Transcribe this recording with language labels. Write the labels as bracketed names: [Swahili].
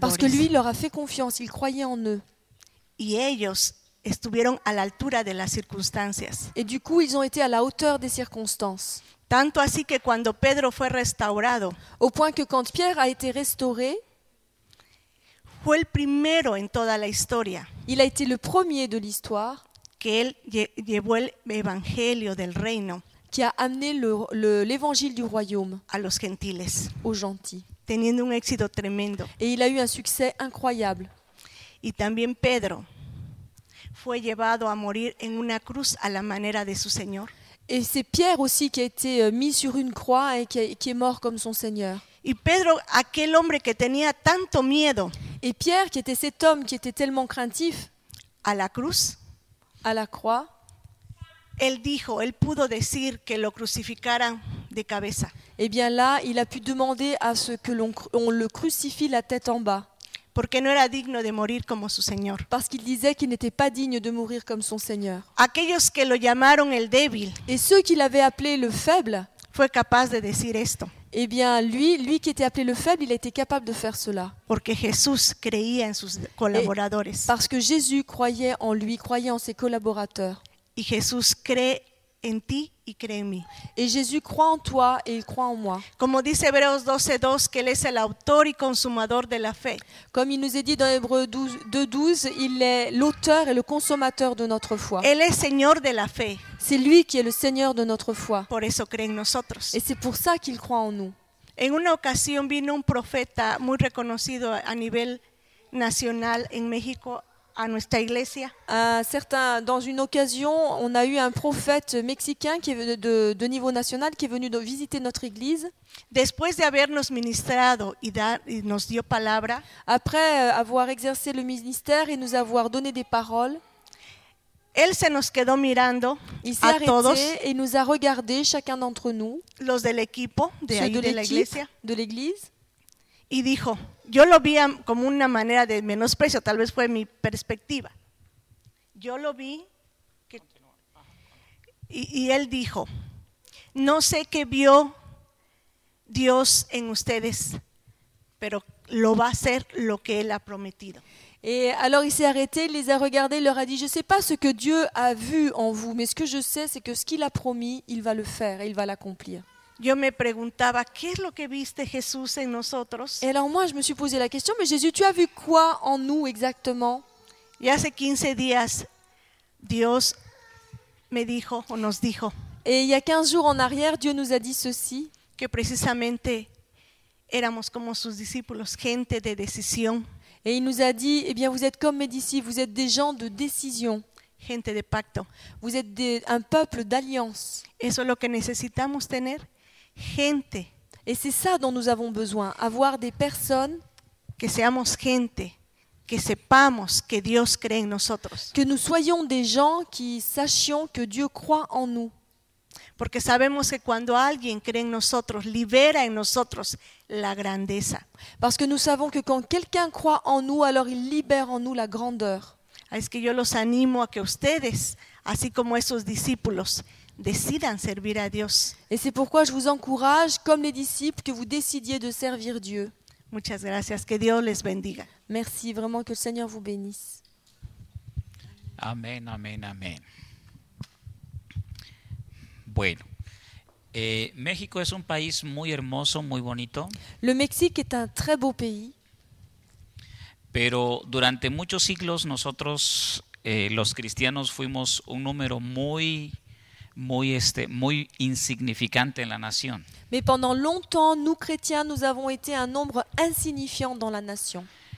[French] Parce que lui leur a fait confiance, il croyait en eux. [Spanish] Y ellos estuvieron a la altura de las circunstancias. [French] Et du coup, ils ont été à la hauteur des circonstances. [Spanish] Tanto así que cuando Pedro fue restaurado, [French] au point que quand Pierre a été restauré, [Spanish] fue el primero en toda la historia. [French] Il a été le premier de l'histoire [Spanish] que él llevó el evangelio del reino, [French] qui a amené l'évangile du royaume [Spanish] a los gentiles, [French] aux gentils, [Spanish] teniendo un éxito tremendo. [French] Et il a eu un succès incroyable. [Spanish] Y también Pedro fue llevado a morir en una cruz a la manera de su señor. [French] Et c'est Pierre aussi qui a été mis sur une croix et qui est mort comme son seigneur. [Spanish] Y Pedro, aquel hombre que tenía tanto miedo. [French] Et Pierre, qui était cet homme qui était tellement craintif, [Spanish] à la cruz, [French] à la croix, [Spanish] él dijo, él pudo decir que lo crucificaran de cabeza. [French] Et bien là, il a pu demander à ce que on le crucifie la tête en bas. [Spanish] Porque no era digno de morir como su señor. [French] Parce qu'il disait qu'il n'était pas digne de mourir comme son seigneur. [Spanish] Aquellos que lo llamaron el débil. [French] Et ceux qui l'avaient appelé le faible, [Spanish] fue capaz de decir esto. [French] Eh bien, lui qui était appelé le faible, il a été capable de faire cela. [Spanish] Porque Jesús creía en sus colaboradores. [French] Et parce que Jésus croyait en lui, croyait en ses collaborateurs. [Spanish] Y Jesús cree en ti y cree en mí. [French] Et Jésus croit en toi et il croit en moi. [Spanish] Como dice Hebreos 12:2, que él es el autor y consumador de la fe. [French] Comme il nous est dit dans Hébreux 2:12, il est l'auteur et le consommateur de notre foi. [Spanish] Él es señor de la fe. [French] C'est lui qui est le seigneur de notre foi. [Spanish] Por eso cree en nosotros. [French] Et c'est pour ça qu'il croit en nous. [Spanish] En una ocasión vino un profeta muy reconocido a nivel nacional en México a nuestra iglesia. [French] Dans une occasion, on a eu un prophète mexicain qui est de niveau national qui est venu visiter notre église. [Spanish] Después de habernos ministrado y nos dio palabra, [French] après avoir exercé le ministère et nous avoir donné des paroles, [Spanish] él se nos quedó mirando a todos. [French] Il s'est arrêté et nous a regardé chacun d'entre nous. [Spanish] Los del equipo de ahí de la iglesia, [French] de l'église. [Spanish] Y dijo, yo lo vi como una manera de menosprecio, tal vez fue mi perspectiva. Yo lo vi que, y él dijo, no sé qué vio Dios en ustedes, pero lo va a hacer lo que él ha prometido. [French] Et alors il s'est arrêté, il les a regardés, il leur a dit, je ne sais pas ce que Dieu a vu en vous, mais ce que je sais, c'est que ce qu'il a promis, il va le faire et il va l'accomplir. [Spanish] Yo me preguntaba, ¿qué es lo que viste Jesús en nosotros? [French] Et alors moi, je me suis posé la question, mais Jésus, tu as vu quoi en nous exactement? [Spanish] Y hace 15 días, Dios me dijo, o nos dijo. [French] Et il y a 15 jours en arrière, Dieu nous a dit ceci. [Spanish] Que precisamente éramos como sus discípulos, gente de decisión. [French] Et il nous a dit, eh bien, vous êtes comme mes disciples, vous êtes des gens de décision. [Spanish] Gente de pacto. [French] Vous êtes un peuple d'alliance. [Spanish] Eso es lo que necesitamos tener. Gente [French] Et c'est ça dont nous avons besoin, avoir des personnes [Spanish] que seamos gente, que sepamos que Dios cree en nosotros. [French] Que nous soyons des gens qui sachions que Dieu croit en nous. [Spanish] Porque sabemos que cuando alguien cree en nosotros, libera en nosotros la grandeza. [French] Parce que nous savons que quand quelqu'un croit en nous, alors il libère en nous la grandeur. [Spanish] Es que yo los animo a que ustedes, así como esos discípulos, decidan servir a Dios. [French] Et c'est pourquoi je vous encourage, comme les disciples, que vous décidiez de servir Dieu. [Spanish] Muchas gracias, que Dios les bendiga. [French] Merci, vraiment que le Seigneur vous bénisse. [Spanish] Amen, amen, amen. Bueno, México es un país muy hermoso, muy bonito. [French] Le Mexique est un très beau pays. [Spanish] Pero durante muchos siglos nosotros, los cristianos, fuimos un número muy, muy, muy insignificante en la nación. [French] Mais pendant longtemps, nous chrétiens, nous avons été un nombre insignifiant dans la nation.